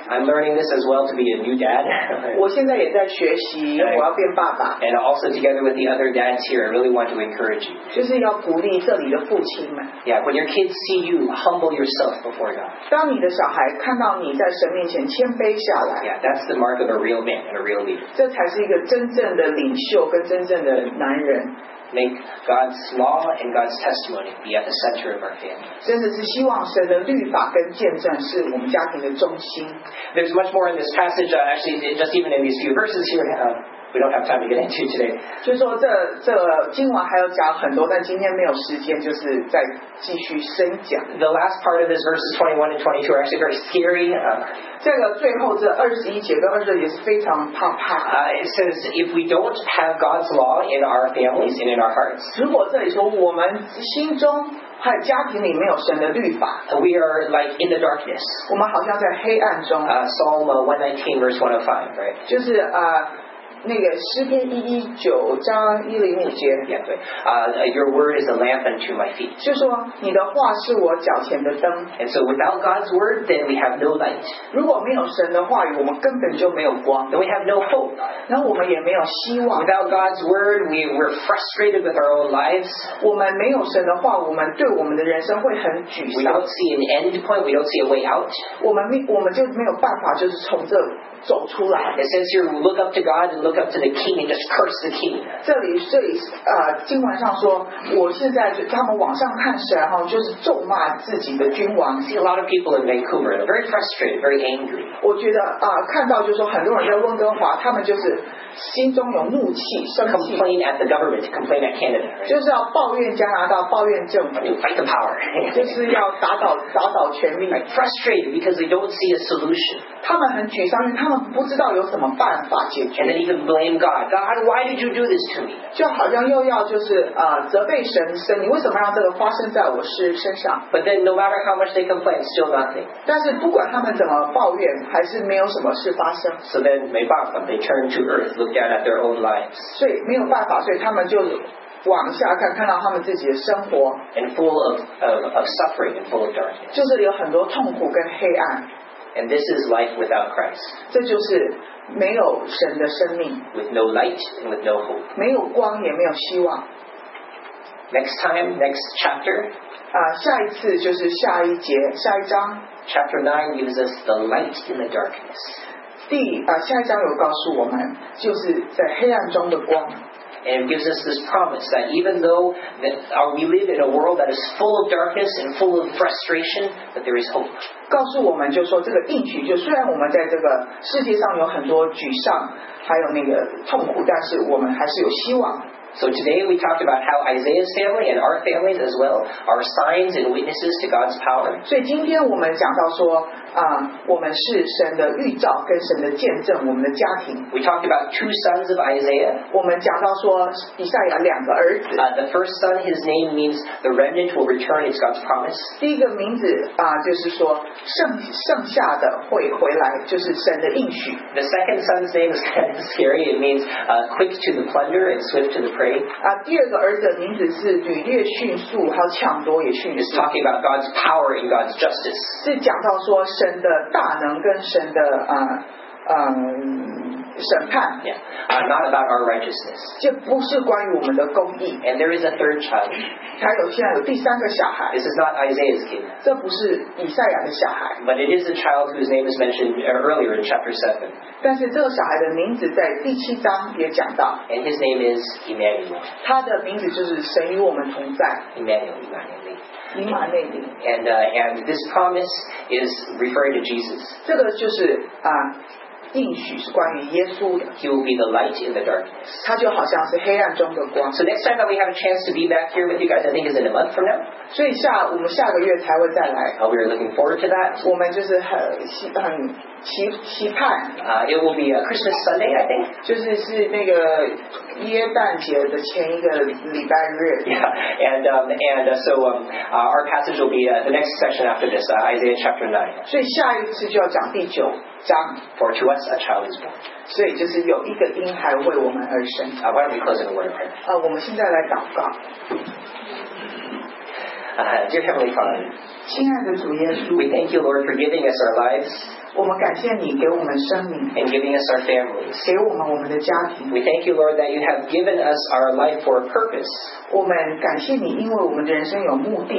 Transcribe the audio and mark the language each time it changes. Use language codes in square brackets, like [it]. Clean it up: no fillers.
[en] I'm learning this as well to be a new dad. [zh] 我现在也在学习，我要变爸爸。 [en] And also together with the other dads here, I really want to encourage you. [zh] 就是要鼓励这里的父亲们。 [en] Yeah, when your kids see you, humble yourself before God. [zh] 当你的小孩看到你在神面前谦卑下来。 [en] Yeah, that's the mark of a real man and a real leader. [zh] 这才是一个真正的领袖跟真正的男人。 [en] Make God's law and God's testimony be at the center of our family. [zh] 真的是希望神的律法跟见证是我们家庭的中心。 [en] There's much more in this passage, actually, just even in these few verses here. We don't have time to get into today. [zh] 就说这经文还有讲很多，但今天没有时间，就是再继续深讲。 [en] The last part of this verses 21 and 22 are actually very scary. [zh] 这个最后这二十一节跟二十也是非常怕怕。 [en] It says if we don't have God's law in our families and in our hearts. [zh] 如果这里说我们心中还有家庭里没有神的律法 [en] ，We are like in the darkness. [zh] 我们好像在黑暗中。 [en] Psalm 119 verse 105, right? [zh] 就是那个诗篇一一九章一零五节 [en] yeah, right. Your word is a lamp unto my feet. [zh] 就说你的话是我脚前的灯。 [en] And so without God's word, then we have no light. [zh] 如果没有神的话语，我们根本就没有光。 [en] Then we have no hope. [zh] 那我们也没有希望。 [en] Without God's word, we're frustrated with our own lives. [zh] 我们没有神的话，我们对我们的人生会很沮丧。 [en] We don't see an end point. We don't see a way out. [zh] 我们就没有办法，就是从这走出来。 [en] It says here, look up to God and look up to the king and just curse the king. [zh] 这里经文上说，我现在就他们往上看神，然后就是咒骂自己的君王。 [en] See a lot of people in Vancouver, they're very frustrated, very angry. [zh] 我觉得看到就是说很多人在温哥华，他们就是心中有怒气，生气。 [en] Complain at the government, complain at Canada.、Right? [zh] 就是要抱怨加拿大，抱怨政府。 [en] You fight the power. [zh] 就是要打倒权力。 [en] Right, frustrated because they don't see a solution. [zh] 他们很沮丧，他们不知道有什么办法解决。 [en] And then even blame God. God, why did you do this to me? [zh] 就好像又要就是责备神，神你为什么让这个发生在我身上？ [en] But then no matter how much they complain, still nothing. [zh] 但是不管他们怎么抱怨，还是没有什么事发生。 [en] So then [zh] 没办法， [en] they turn to earth. Look down at their own lives. [zh] 所以没有办法，所以他们就往下看，看到他们自己的生活。 [en] And full of suffering and full of darkness. [zh] 就这里有很多痛苦跟黑暗。 [en] And this is life without Christ. [zh] 这就是没有神的生命。 [en] With no light and with no hope. [zh] 没有光也没有希望。 [en] Next time, next chapter. [zh] 下一次就是下一节，下一章。 [en] Chapter 9 gives us the light in the darkness. [zh] 下一章有告诉我们，就是在黑暗中的光。 [en] And it gives us this promise that even though that we live in a world that is full of darkness and full of frustration, that there is hope. [zh] 告诉我们就说这个应许，就虽然我们在这个世界上有很多沮丧，还有那个痛苦，但是我们还是有希望。 [en] So today we talked about how Isaiah's family and our families as well are signs and witnesses to God's power. [zh] 所以今天我们讲到说，我们是神的预兆跟神的见证，我们的家庭。 [en] We talked about two sons of Isaiah. [zh] 我们讲到说以赛亚两个儿子。 [en] The first son, his name means the remnant will return. It's God's promise. [zh] 第一个名字就是说剩下的会回来，就是神的应许。 [en] The second son's name is kind of scary. It means quick to the plunder and swift to the [zh] 第二个儿子的名字是屡烈迅速，还有抢夺也迅速。 [en] It's talking about God's power and God's justice. [zh] 是讲到说神的大能跟神的审判。 [en] Yeah, not about our righteousness. [zh] 这不是关于我们的公义。 [en] And there is a third child. [zh] 还有现在有第三个小孩。 [en] This is not Isaiah's kid. [zh] 这不是以赛亚的小孩。 [en] But it is a child whose name is mentioned earlier in chapter 7. [zh] 但是这个小孩的名字在第七章也讲到。 [en] And his name is Emmanuel. [zh] 他的名字就是神与我们同在。 [en] Emmanuel. [zh] 以马内利。 [en] And this promise is referring to Jesus. [zh] 这个就是应许是关于耶稣的。 [en] He will be the light in the darkness. [zh] 他就好像是黑暗中的光。 [en] So next time that we have a chance to be back here with you guys, I think is in a month from now. [zh] 所以下我们下个月才会再来。 [en] Oh, we are looking forward to that. [zh] 我们就是很期盼。 [en] It will be a Christmas Sunday, I think. [zh] 就是是那个耶诞节的前一个礼拜日。 [en] Yeah, and our passage will be the next section after this, Isaiah chapter 9. [zh] 所以下一次就要讲第九。 [en] For to us a child is born. [zh] 所以就是有一个婴孩为我们而生。 [en] Why don't we close in a word of prayer? [zh] 我们现在来祷告。 [en] Dear Heavenly Father, [zh] 亲爱的主耶稣， [en] we thank you, Lord, for giving us our lives. [zh] 我们感谢你给我们生命， [en] and giving us our families. [zh] 给我们的家庭。 [en] We thank you, Lord, that you have given us our life for a purpose. [zh] 我们感谢你，因为我们的人生有目的。